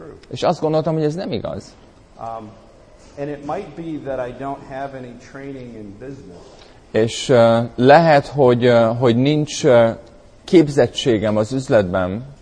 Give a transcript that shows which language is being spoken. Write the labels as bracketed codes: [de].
[hu] És azt gondoltam, hogy ez nem igaz. [en] And it might be that I don't have any training in business. [hu] És lehet, hogy nincs képzettségem az üzletben.